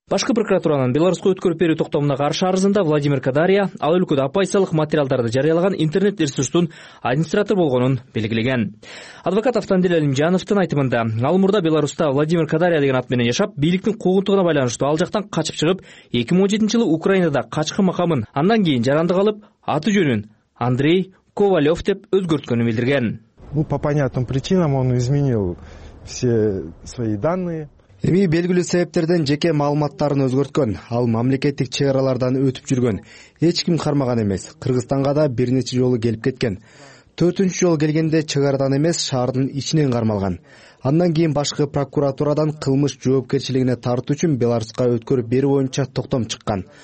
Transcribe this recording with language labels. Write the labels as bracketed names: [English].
[Kyrgyz] Башкы прокуратуранын Беларуска өткөрүп берүү токтомуна каршы арызында Владимир Кадарья ал өлкөдө оппозициялык материалдарды жарыялаган интернет ресурстун администратору болгонун белгилеген. Адвокат Автандил Алимжановдун айтымында, ал мурда Беларуста Владимир Кадарья деген ат менен жашап, бийликтин куугунтугуна байланыштуу ал жактан качып чыгып, 2017-жылы Украинада качкын макамын, андан кийин жарандык алып, аты жөнүн Андрей Ковалев деп өзгөрткөнү билдирген. [Russian] Ну, по понятным причинам он изменил все свои данные. [Kyrgyz] Эми белгилүү себептерден жеке маалыматтарын өзгөрткөн. Ал мамлекеттик чек аралардан өтүп жүргөн. Эч ким кармаган эмес. Кыргызстанга да бир нече жолу келип кеткен. Төртүнчү жолу келгенде чек арадан эмес, шаардын ичинен кармалган. Андан кийин башкы прокуратурадан кылмыш жоопкерчилигине тартуу үчүн Беларуска өткөрүп берүү боюнча токтом чыккан.